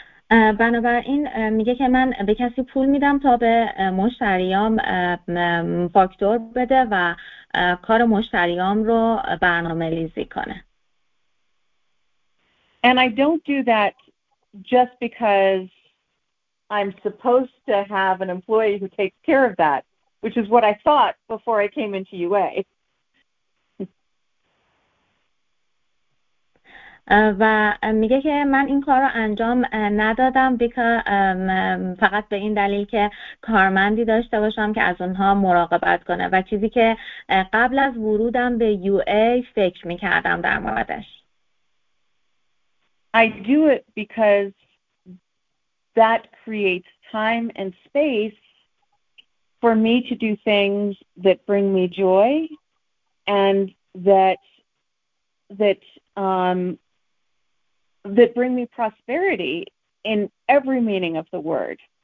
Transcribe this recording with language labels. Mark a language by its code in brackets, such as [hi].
[fa] بنابراین میگه که من به کسی پول میدم تا به مشتریام فاکتور بده و کار مشتریام رو برنامه ریزی کنه. [en] And I don't do that just because I'm supposed to have an employee who takes care of that, which is what I thought before I came into UA. [fa] و میگه که من این کار رو انجام ندادم فقط به این دلیل که کارمندی داشته باشم که از اونها مراقبت کنه، و چیزی که قبل از ورودم به یو ای فکر میکردم در موردش. [en] I do it because that creates time and space for me to do things that bring me joy and that bring me prosperity in every meaning of the word.